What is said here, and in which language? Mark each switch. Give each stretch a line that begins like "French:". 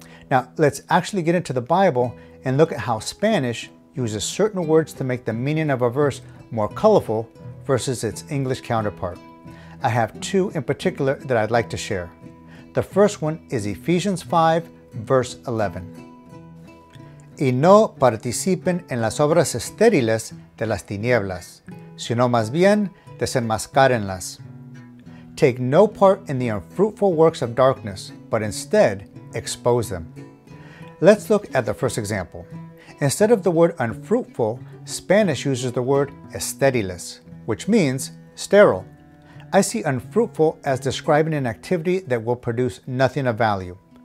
English: Now, let's actually get into the Bible and look at how Spanish uses certain words to make the meaning of a verse more colorful versus its English counterpart. I have two in particular that I'd like to share. The first one is Ephesians 5, verse 11.
Spanish: Y no participen en las obras estériles de las tinieblas, sino más bien desenmascárenlas.
English: Take no part in the unfruitful works of darkness, but instead expose them. Let's look at the first example. Instead of the word unfruitful, Spanish uses the word estériles, which means sterile. I see unfruitful as describing an activity that will produce nothing of value.